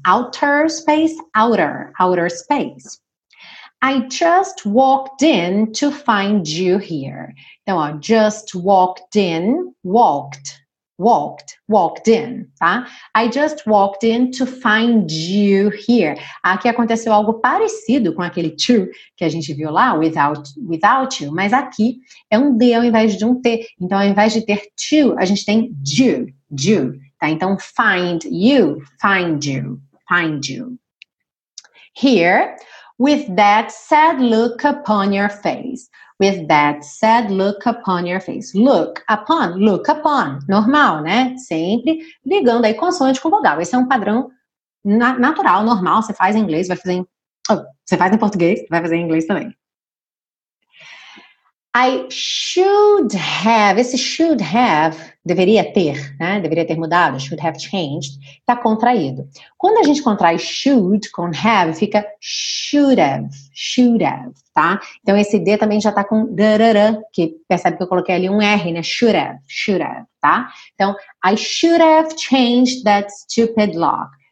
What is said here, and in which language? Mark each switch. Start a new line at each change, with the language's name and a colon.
English: Outer space. Outer. Outer space. I just walked in to find you here. Então, ó, just walked in, walked, walked, walked in, tá? I just walked in to find you here.
Portuguese: Aqui aconteceu algo parecido com aquele to que a gente viu lá,
English: without you,
Portuguese: mas aqui é um D ao invés de um T. Então, ao invés de ter to, a gente tem you, tá?
English: Então, find you. Here, with that sad look upon your face. With that sad look upon your face. Look upon, normal, né?
Portuguese: Sempre ligando aí consoante com vogal. Esse é um padrão natural, normal. Você faz em inglês, vai fazer em... Você faz em português, vai fazer em inglês também.
English: I should have, esse should have,
Portuguese: deveria ter, né? Deveria ter mudado,
English: should have changed,
Portuguese: tá contraído. Quando a gente contrai should com have, fica should have, tá? Então esse D também já tá com darara, que percebe que eu coloquei ali um R, né?
English: Should have, tá? Então, I should have changed that stupid lock.